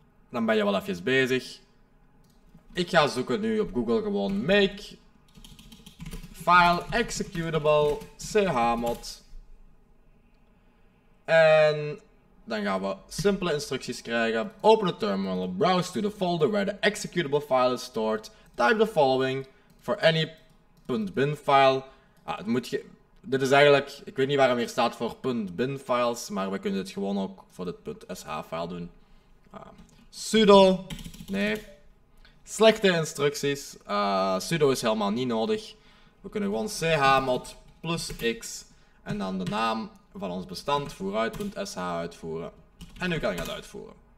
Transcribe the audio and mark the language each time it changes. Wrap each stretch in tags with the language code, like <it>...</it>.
<nl>Dan ben je wel even bezig. Ik ga zoeken nu op Google gewoon</nl> <en>make file executable chmod.</en> <nl>En dan gaan we simpele instructies krijgen.</nl> <en>Open the terminal, browse to the folder where the executable file is stored. Type the following for any .bin file.</en> <nl>Dit is eigenlijk, ik weet niet waarom hier staat voor .bin files, maar we kunnen dit gewoon ook voor dit .sh file doen. Sudo, nee. Slechte instructies. Sudo is helemaal niet nodig. We kunnen gewoon chmod plus x en dan de naam van ons bestand vooruit.sh uitvoeren. En nu kan ik dat uitvoeren.</nl>